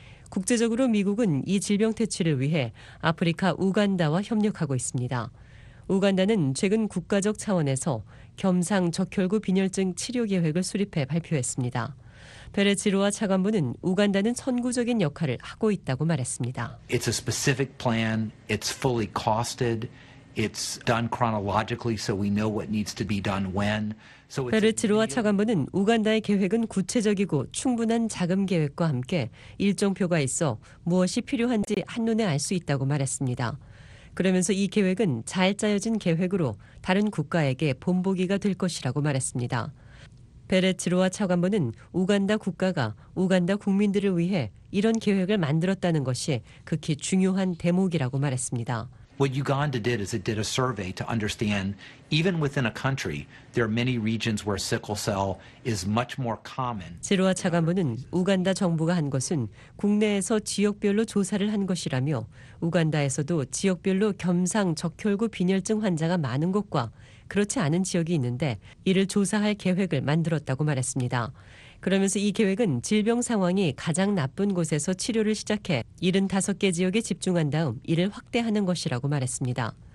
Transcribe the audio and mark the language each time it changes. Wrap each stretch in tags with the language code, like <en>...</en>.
<ko>국제적으로 미국은 이 질병 퇴치를 위해 아프리카 우간다와 협력하고 있습니다. 우간다는 최근 국가적 차원에서 겸상적혈구 빈혈증 치료 계획을 수립해 발표했습니다. 베레치로아 차관부는 우간다는 선구적인 역할을 하고 있다고 말했습니다.</ko> <en>It's a specific plan. It's fully costed. It's done chronologically so we know what needs to be done when.</en> <ko>베레치로아 차관부는 우간다의 계획은 구체적이고 충분한 자금 계획과 함께 일정표가 있어 무엇이 필요한지 한눈에 알 수 있다고 말했습니다. 그러면서 이 계획은 잘 짜여진 계획으로 다른 국가에게 본보기가 될 것이라고 말했습니다. 베레치로아 차관보는 우간다 국가가 우간다 국민들을 위해 이런 계획을 만들었다는 것이 극히 중요한 대목이라고 말했습니다.</ko> <en>What Uganda did is it did a survey to understand even within a country there are many regions where sickle cell is much more common.</en> <ko>지로아 차관보는 우간다 정부가 한 것은 국내에서 지역별로 조사를 한 것이라며 우간다에서도 지역별로 겸상 적혈구 빈혈증 환자가 많은 곳과 그렇지 않은 지역이 있는데 이를 조사할 계획을 만들었다고 말했습니다. 그러면서 이 계획은 질병 상황이 가장 나쁜 곳에서 치료를 시작해 75개 지역에 집중한 다음 이를 확대하는 것이라고 말했습니다.</ko>